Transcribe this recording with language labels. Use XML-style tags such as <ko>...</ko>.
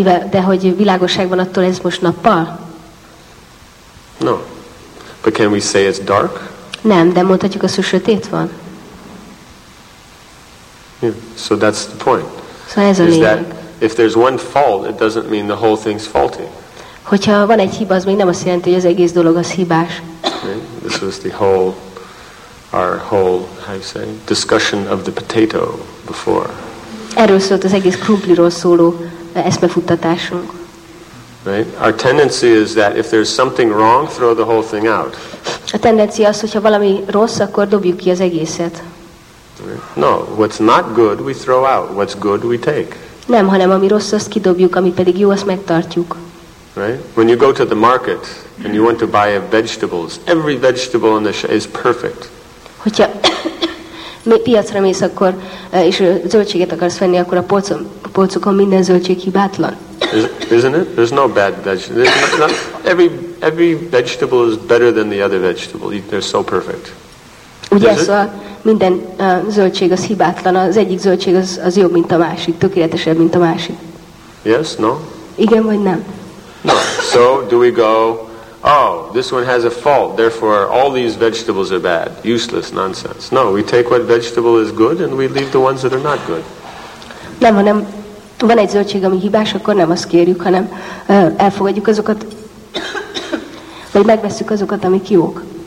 <hu>De hogy világosság van, attól ez most nappal?</hu> <en>No. But can we say it's dark?</en> <hu>Nem, de mondhatjuk azt, hogy sötét van.</hu> <en>Yeah, so that's the point.</en> <hu>So ez a lényeg.</hu> <en>Is that if there's one fault, it doesn't mean the whole thing's faulty.</en> <hu>Hogyha van egy hiba, az még nem azt jelenti, hogy az egész dolog az hibás.</hu> <en>Okay. This was the whole, our whole, how you say, discussion of the potato before.</en> <hu>Erről szólt az egész krumpliról szóló eszmefuttatásunk.</hu> <en>Right? Our tendency is that if there's something wrong, throw the whole thing out.</en> <hu>A tendencia az, hogyha valami rossz, akkor dobjuk ki az egészet.</hu> <en>No, what's not good, we throw out. What's good, we take.</en> <hu>Nem, hanem ami rossz, azt kidobjuk, ami pedig jó, azt megtartjuk.</hu> <en>Right? When you go to the market and you want to buy vegetables, every vegetable in the shop is perfect.</en> <hu>Hogyha piacra mész, akkor és zöldséget akarsz venni, akkor a polcokon minden zöldség hibátlan.</hu> <en>Isn't it? There's no bad vegetable. Every vegetable is better than the other vegetable. They're so perfect.</en> <hu>Ugye, szóval minden zöldség az hibátlan. Az egyik zöldség az jobb, mint a másik. Tökéletesebb, mint a másik.</hu> <en>Yes, no?</en> <hu>Igen, vagy nem?</hu> <en>No. So, do we go, oh, this one has a fault, therefore all these vegetables are bad. Useless nonsense. No, we take what vegetable is good and we leave the ones that are not good.</en> <hu>Nem, hanem van egy zöldség, ami hibás, akkor nem azt kérjük, hanem elfogadjuk azokat, vagy megvesszük azokat, amik jók.</hu>